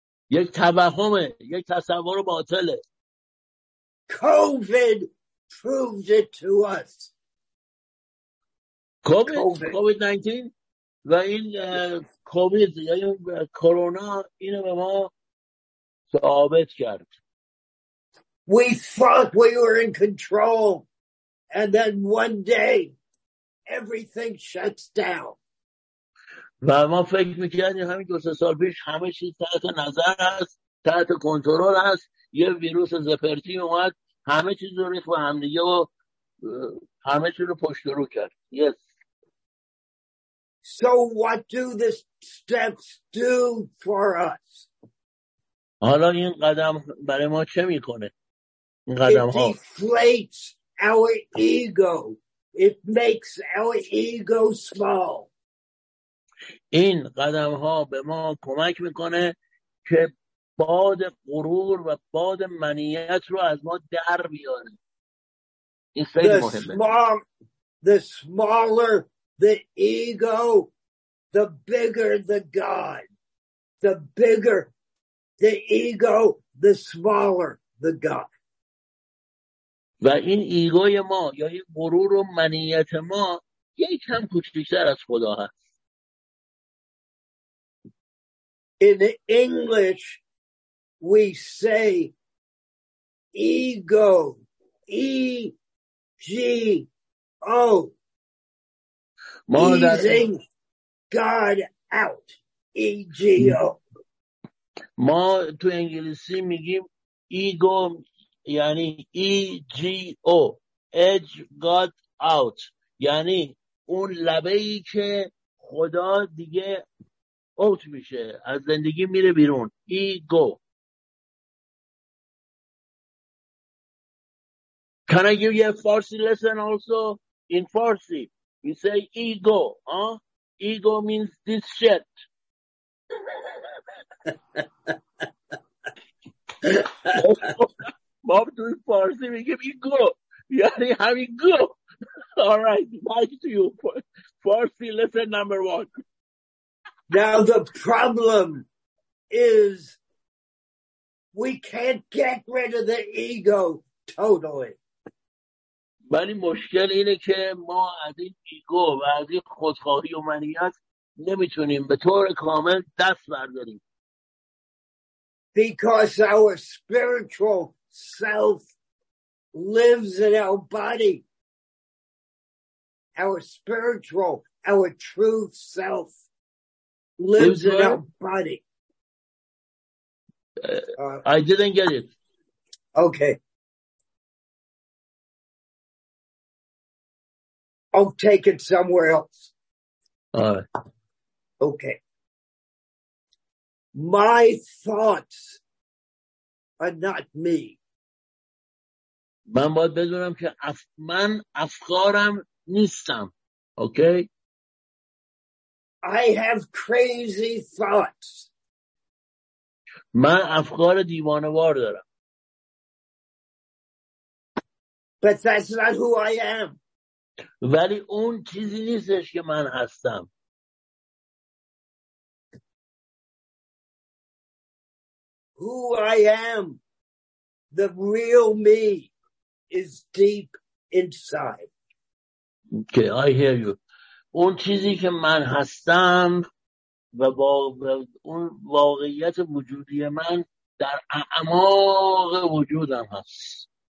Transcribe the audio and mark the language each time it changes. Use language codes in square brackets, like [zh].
[fa] یک توهمه، یک تصور باطله. [en] COVID proved it to us. [fa] COVID 19 و این کووید یا این کرونا اینو به ما ثابت کرد. [en] We thought we were in control, and then one day, everything shuts down. [fa] و ما فکر میکنیم همین دو سه سال پیش همه چیز تحت نظر است، تحت کنترل است. یه ویروس زپرتی اومد، همه چیز رو ریخت به هم دیگه و همه چیز رو پشت رو کرد. [en] Yes. So what do the steps do for us? [fa] حالا این قدم برای ما چه میکنه؟ [en] deflates our ego. It makes our ego small. [fa] این قدم ها به ما کمک میکنه که باد غرور و باد منیت رو از ما در بیاره. این خیلی مهمه. [en] The smaller the ego, the bigger the God. The bigger the ego, the smaller the God. [fa] و این ایگوی ما یا این غرور و منیت ما یک کم کوچکتر از خدا هست. [en] In English we say ego, E-G-O, easing God out, E-G-O. [fa] ما تو انگلیسی میگیم ایگو، یعنی E G O، [en] edge God out، [fa] یعنی اون لبه‌ای که خدا دیگه اوت میشه، از زندگی میره بیرون. [en] E go. Can I give you a Farsi lesson also? In Farsi, you say E go. E go means this shit. [fa] ما تو فارسی میگیم ایگو، یعنی همین گو. [en] Alright, back to you. Farsi lesson number one. Now the problem is we can't get rid of the ego totally. [fa] ولی مشکل اینه که ما از این ایگو و از این خودخواهی و منیت نمیتونیم به طور کامل دست برداریم. [en] Because our spiritual self lives in our body. Our spiritual, our true self lives in our body. I didn't get it. Okay. I'll take it somewhere else. Okay. My thoughts are not me. [fa] من باید بدونم که من افکارم نیستم. [en] Okay? I have crazy thoughts. [fa] من افکار دیوانه‌وار دارم. [en] But that's not who I am. [fa] ولی اون چیزی نیستش که من هستم. [en] Who I am, the real me, is deep inside. Okay, I hear you. [fa] اون چیزی که من هستم و اون واقعیت وجودی من در اعماق وجودم هست.